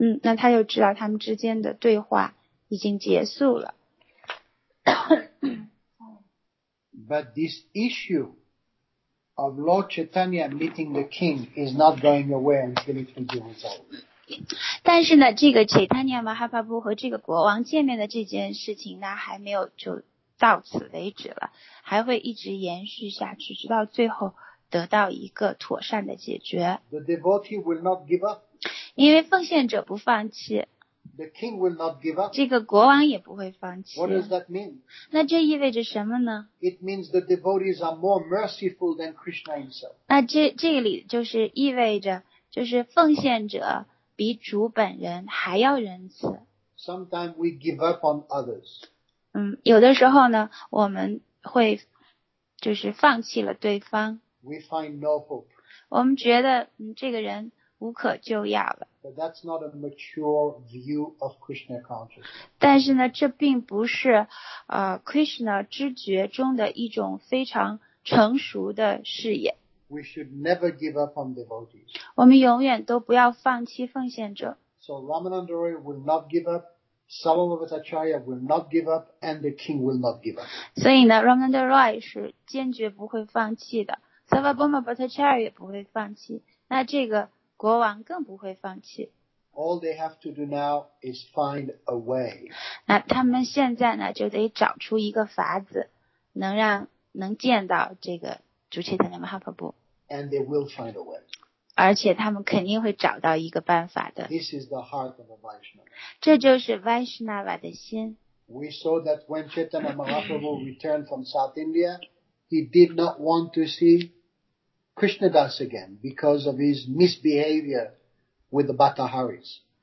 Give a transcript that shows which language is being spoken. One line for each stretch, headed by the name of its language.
Chinese: 那他就知道他们之间的对话已经结束了。
English: But this issue of Lord Chaitanya meeting the king is not going away until it will be resolved.
Chinese: 但是呢，这个 Chaitanya Mahaprabhu 和这个国王见面的这件事情呢，还没有就到此为止了，还会一直延续下去，直到最后。得到一个妥善的解决。
English: The devotee will not give up.
Chinese: 因为奉献者不放弃。
English: The king will not give up.
Chinese: 这个国王也不会放弃。
English: What does that mean?
Chinese: 那这意味着什么呢？
English: It means the devotees are more merciful than Krishna himself.
Chinese: 那这里就是意味着，就是奉献者比主本人还要仁慈。
English: Sometimes we give up on others.
Chinese: 有的时候呢，我们会就是放弃了对方。
English: We find no hope.
Chinese: 我们觉得这个人无可救药了。
English: But that's not a mature view of Krishna consciousness.
Chinese: 但是呢，这并不是Krishna 知觉中的一种非常成熟的视野。
English: We should never give up on devotees.
Chinese: 我们永远都不要放弃奉献者。
English: So Ramananda Roy will not give up, Salalabhata Acharya will not give up, and the king will not give up.
Chinese: 所以呢 ，Ramananda Roy 是坚决不会放弃的 ，Salalabhata Acharya 也不会放弃，那这个国王更不会放弃。
English: All they have to do now is find a way.
Chinese: 那他们现在呢，就得找出一个法子，能让能见到这个。
English: And they will find a way.
Chinese: 而且他们肯定会找到一个办法的。
English: This is the heart of a Vaishnava.
Chinese: 这就是 Vaishnava 的心。
English: We saw that when Chaitanya Mahaprabhu returned from South India, he did not want to see Krishna Das again because of his misbehavior with the Bataharis.